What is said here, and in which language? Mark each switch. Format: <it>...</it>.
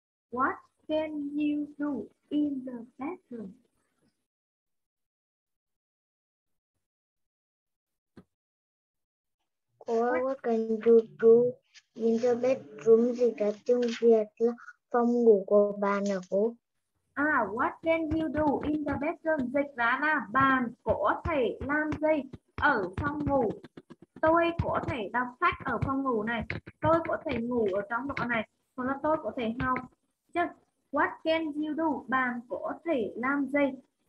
<en>What can you do in the bedroom? What can you do in the bedroom?</en> <vi>Thì đã tiếng Việt là phòng ngủ của bạn à cô?</vi> <en>À, what can you do in the bedroom?</en> <vi>Dịch ra là bạn có thể làm gì ở phòng ngủ? Tôi có thể đọc sách ở phòng ngủ này. Tôi có thể ngủ ở trong đó này. Còn là tôi có thể học. Chứ</vi> <en>what can you do?</en> <vi>Bạn có thể làm gì? Bạn có thể làm gì?</vi>